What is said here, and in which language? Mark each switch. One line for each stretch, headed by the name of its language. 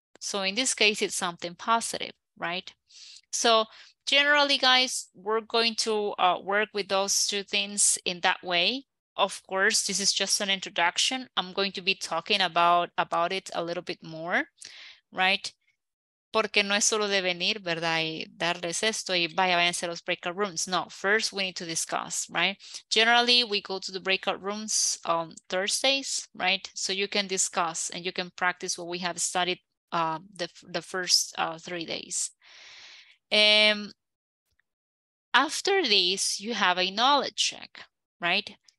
English: So in this case, it's something positive, right? So generally, guys, we're going to work with those two things in that way. Of course, this is just an introduction. I'm going to be talking about it a little bit more, right?
Spanish: Porque no es solo de venir, ¿verdad? Y darles esto y vaya, váyanse a los breakout rooms.
English: No, first we need to discuss, right? Generally, we go to the breakout rooms on Thursdays, right? So you can discuss and you can practice what we have studied the first 3 days. After this, you have a knowledge check, right?